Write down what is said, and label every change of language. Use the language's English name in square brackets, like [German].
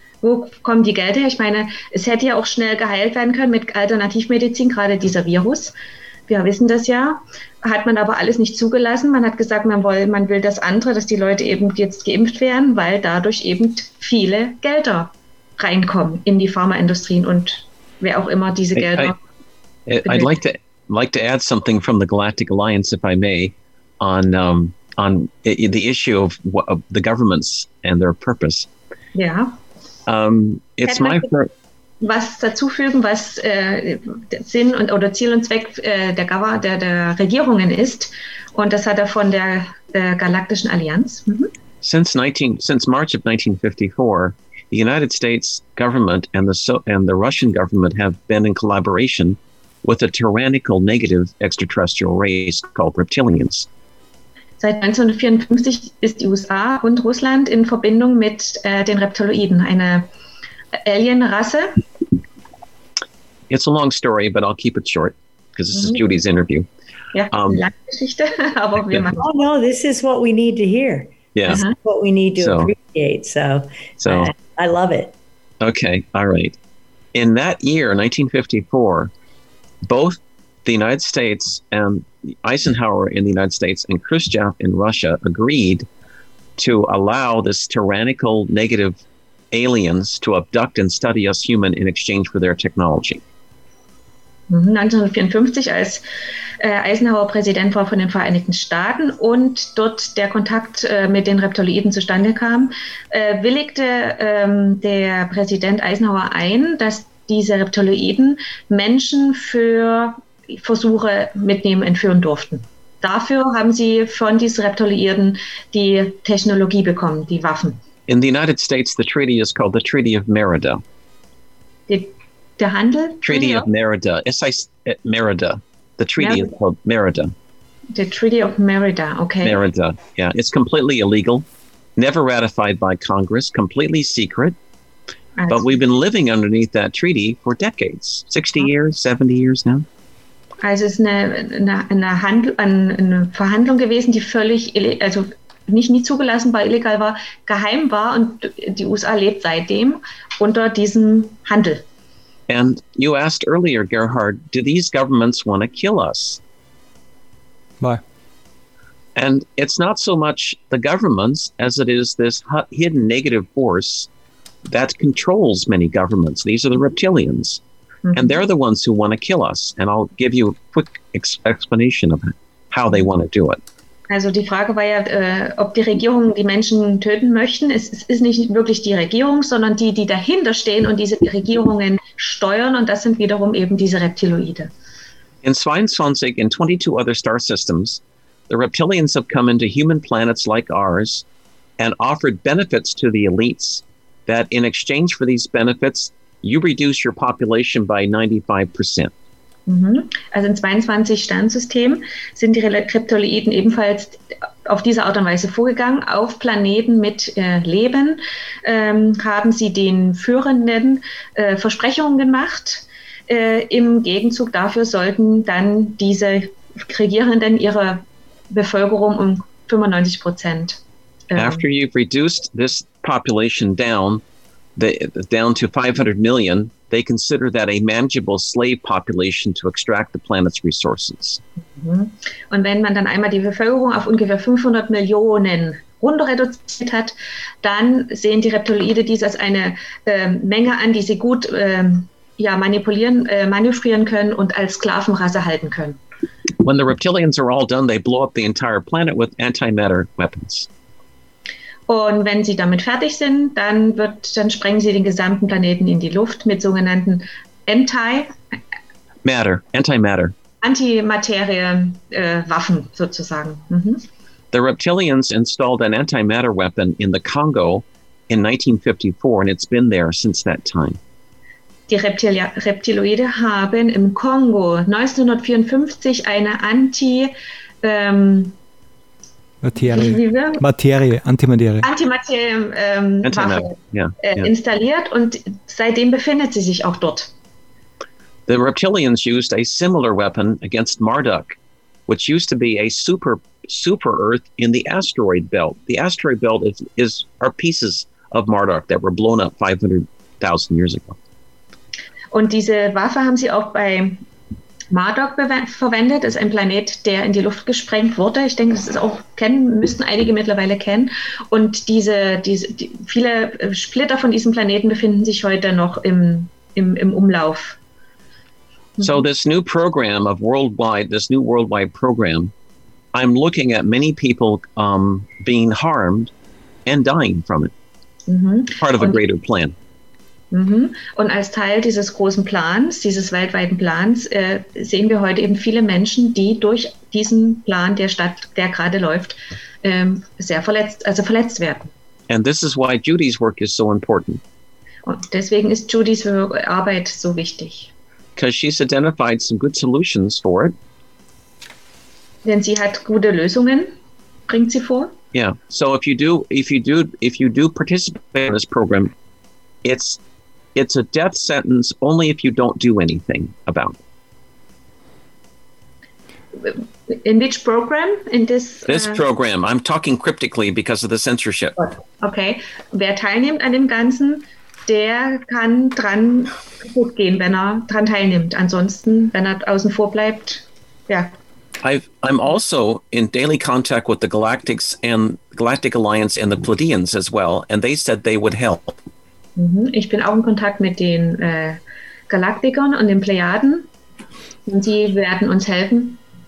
[German] Wo kommen die Gelder her? Ich meine, es hätte ja auch schnell geheilt werden können mit Alternativmedizin, gerade dieser Virus. Wir wissen das ja. Hat man aber alles nicht zugelassen. Man hat gesagt, man will das andere, dass die Leute eben jetzt geimpft werden, weil dadurch eben viele Gelder reinkommen in die Pharmaindustrien und wer auch immer diese Gelder. [English] I'd like to add something from the Galactic Alliance, if I may, on the issue of the governments and their purpose. [German] Ja. [English] It's my [German] was dazufügen, was der Sinn und oder Ziel und Zweck der Regierungen ist, und das hat er von der Galaktischen Allianz. [English] Since March of 1954, the United States government and the Russian government have been in collaboration with a tyrannical negative extraterrestrial race called reptilians. [German] Seit 1954 ist die USA und Russland in Verbindung mit den Reptiloiden, eine Alien-Rasse. [English] It's a long story, but I'll keep it short, because this is Judy's interview. [German] Ja, lange Geschichte, aber wir machen. [English] Oh no, this is what we need to hear. Yeah. This is what we need to appreciate, so I love it. Okay, all right. In that year, 1954, both the United States and Eisenhower in the United States and Khrushchev in Russia agreed to allow this tyrannical negative aliens to abduct and study us human in exchange for their technology. [German] 1954, als Eisenhower Präsident war von den Vereinigten Staaten und dort der Kontakt mit den Reptiloiden zustande kam, willigte der Präsident Eisenhower ein, dass diese Reptiloiden Menschen für Versuche mitnehmen, entführen durften. Dafür haben sie von diesen Reptiloiden die Technologie bekommen, die Waffen. [English] In the United States, the treaty is called the Treaty of Merida. [German] Der Handel? [English] Treaty of Merida. Merida. The Treaty is called Merida. The Treaty of Merida, okay. Merida, yeah. It's completely illegal, never ratified by Congress, completely secret. But we've been living underneath that treaty for decades, 60 years, 70 years now. [German] Also es ist eine Verhandlung gewesen, die völlig, also nicht nie zugelassen, weil illegal war, geheim war und die USA lebt seitdem unter diesem Handel. [English] And you asked earlier, Gerhard, do these governments want to kill us? Why? And it's not so much the governments as it is this hidden negative force that controls many governments. These are the reptilians. Mm-hmm. And they're the ones who want to kill us. And I'll give you a quick explanation of how they want to do it. [German] Also die Frage war ja, ob die Regierungen die Menschen töten möchten. Es ist nicht wirklich die Regierung, sondern die, die dahinter stehen und diese Regierungen steuern. Und das sind wiederum eben diese Reptiloide. [English] In 22 and 22 other star systems, the reptilians have come into human planets like ours and offered benefits to the elites that in exchange for these benefits, you reduce your population by 95%. [German] Also in 22 Sternsystemen sind die Reptiloiden ebenfalls auf diese Art und Weise vorgegangen. Auf Planeten mit Leben haben sie den Führenden Versprechungen gemacht. Im Gegenzug dafür sollten dann diese Regierenden ihre Bevölkerung um 95% [English] After you've reduced this population down to 500 million, they consider that a manageable slave population to extract the planet's resources. [German] Und wenn man dann einmal die Bevölkerung auf ungefähr 500 Millionen runterreduziert hat, dann sehen die Reptiloide dies als eine Menge an, die sie gut manövrieren können und als Sklavenrasse halten können. [English] When the reptilians are all done, they blow up the entire planet with antimatter weapons. [German] Und wenn sie damit fertig sind, dann sprengen sie den gesamten Planeten in die Luft mit sogenannten Antimatter-Waffen sozusagen. [English] The reptilians installed an antimatter weapon in the Congo in 1954 and it's been there since that time. [German] Die Reptiloide haben im Kongo 1954 eine installiert und seitdem befindet sie sich auch dort. [English] The reptilians used a similar weapon against Marduk, which used to be a super Earth in the asteroid belt. The asteroid belt is are pieces of Marduk that were blown up 500,000 years ago. [German] Und diese Waffe haben sie auch bei Marduk verwendet, ist ein Planet, der in die Luft gesprengt wurde. Ich denke, das ist auch müssten einige mittlerweile kennen. Und viele Splitter von diesem Planeten befinden sich heute noch im Umlauf. [English] So this new program of worldwide, this new worldwide program, I'm looking at many people being harmed and dying from it. Part of a greater plan. [German] Und als Teil dieses großen Plans, dieses weltweiten Plans, sehen wir heute eben viele Menschen, die durch diesen Plan der gerade läuft, sehr verletzt werden. [English] And this is why Judy's work is so important. [German] Und deswegen ist Judys Arbeit so wichtig. [English] Because she's identified some good solutions for it. [German] Denn sie hat gute Lösungen, bringt sie vor. [English] Yeah. So if you do participate in this program, it's a death sentence only if you don't do anything about it. In which program? In this program. I'm talking cryptically because of the censorship. Okay. [German] Wer teilnimmt an dem Ganzen, der kann dran gut gehen, wenn er dran teilnimmt. Ansonsten, wenn er außen vor bleibt, ja. [English] I'm also in daily contact with the Galactics and Galactic Alliance and the Pleiadians as well, and they said they would help. [German] Ich bin auch in Kontakt mit den Galaktikern und den Plejaden, und sie werden uns helfen.